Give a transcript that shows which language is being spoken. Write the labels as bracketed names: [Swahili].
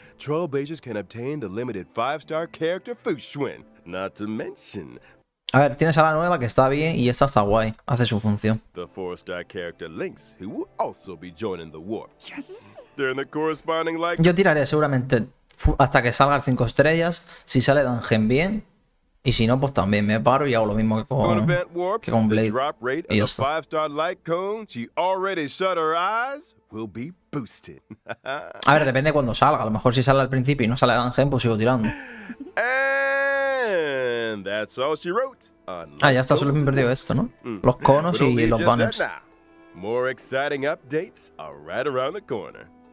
[English] Trailblazers can obtain the limited 5-star character Fushwin. Not to mention. [Spanish] A ver, tienes a la nueva que está bien y esta está guay. Hace su función. [English] The 4-star character Lynx, who will also be joining the warp. Yes. During the corresponding like. [Spanish] Yo tiraré seguramente hasta que salga el 5 estrellas. Si sale Dangen bien. Y si no, pues también me paro y hago lo mismo que con Blade. Y ya está. [English] 5-star light cone, she already shut her eyes, will be boosted. [Spanish] A ver, depende de cuando salga. A lo mejor si sale al principio y no sale Dangen, pues sigo tirando. [English] And that's all she wrote. [Spanish] Ah, ya está, solo me he perdido esto, ¿no? Los conos y los banners. [English] More exciting updates are right around the corner.